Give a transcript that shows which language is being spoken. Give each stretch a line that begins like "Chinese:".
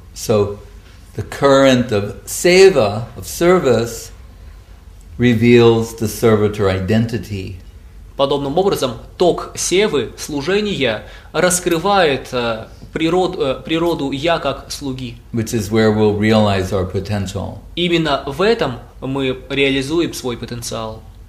English: So, the current of seva, of service, reveals the servitor identity.
Russian: Подобным образом, ток севы, служения, раскрывает природу «я» как слуги.
English: Which is where we'll realize our potential.
Russian: Именно в этом мы реализуем свой потенциал.